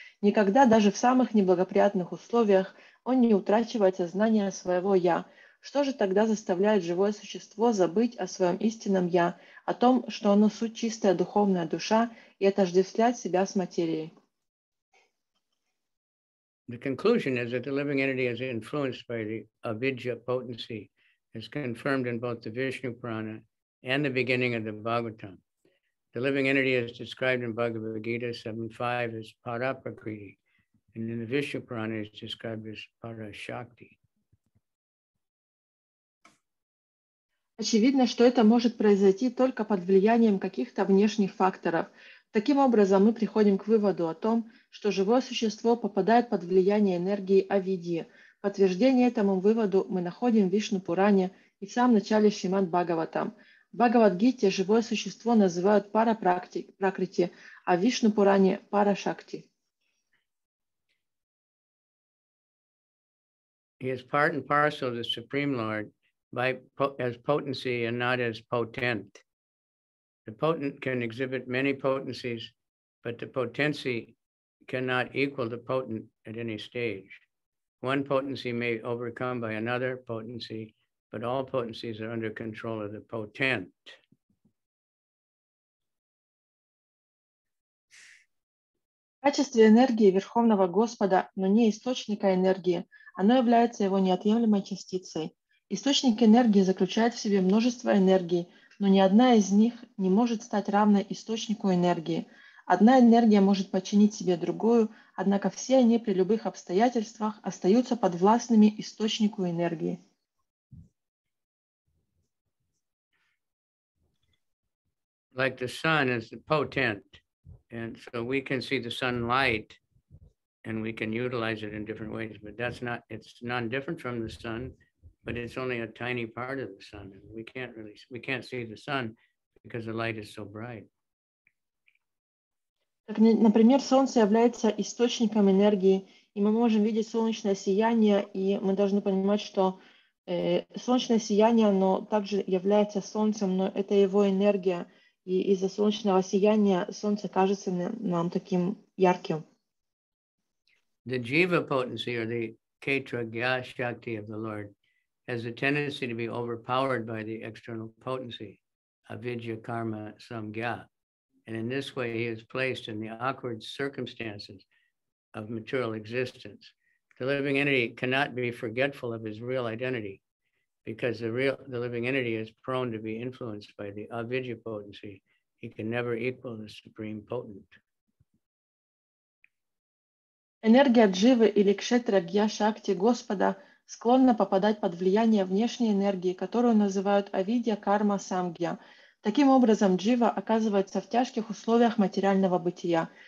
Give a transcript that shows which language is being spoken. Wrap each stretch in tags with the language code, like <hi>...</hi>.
<ru>Никогда даже в самых неблагоприятных условиях он не утрачивает сознание своего «я». Что же тогда заставляет живое существо забыть о своем истинном «я», о том, что оно суть чистая духовная душа, и отождествлять себя с материей?</ru> <en>The conclusion is that the living entity is influenced by the avidya potency, as confirmed in both the Vishnu Purana and the beginning of the Bhagavatam. The living entity is described in Bhagavad Gita 7.5 as Paraprakriti, and in the Vishnu Purana is described as Parashakti.</en> <ru>Очевидно, что это может произойти только под влиянием каких-то внешних факторов. Таким образом, мы приходим к выводу о том, что живое существо попадает под влияние энергии авидьи. Подтверждение этому выводу мы находим в Вишну Пуране и в самом начале Шримад Бхагаватам. В Бхагавад-гите живое существо называют пара-пракрити, а в Вишну-пуране – пара-шакти.</ru> <en>He is part and parcel of the Supreme Lord by, as potency and not as potent. The potent can exhibit many potencies, but the potency cannot equal the potent at any stage. One potency may overcome by another potency, but all potencies are under control of the potent.</en> <ru>качестве энергии Верховного Господа, но не источника энергии, оно является его неотъемлемой частицей. Источник энергии заключает в себе множество энергий, но ни одна из них не может стать равной источнику энергии. Одна энергия может подчинить себе другую, однако все они при любых обстоятельствах остаются подвластными источнику энергии.</ru> <en>Like the sun is potent, and so we can see the sunlight, and we can utilize it in different ways, but that's not, it's non-different from the sun, but it's only a tiny part of the sun. We can't see the sun because the light is so bright.</en> <ru>Так, например, солнце является источником энергии, и мы можем видеть солнечное сияние, и мы должны понимать, что солнечное сияние, оно также является солнцем, но это его энергия, и из-за солнечного сияния солнце кажется нам таким ярким.</ru> <en>The jiva potency, or the ketra gya shakti of the Lord, has a tendency to be overpowered by the external potency, avidya karma samgya. And in this way, he is placed in the awkward circumstances of material existence. The living entity cannot be forgetful of his real identity because the living entity is prone to be influenced by the avidya potency. He can never equal the supreme potent.</en> <ru>Энергия дживы или кшетра гья шакти Господа склонна попадать под влияние внешней энергии, которую называют авидья карма самгья. Таким образом, джива оказывается в тяжких условиях материального бытия.</ru>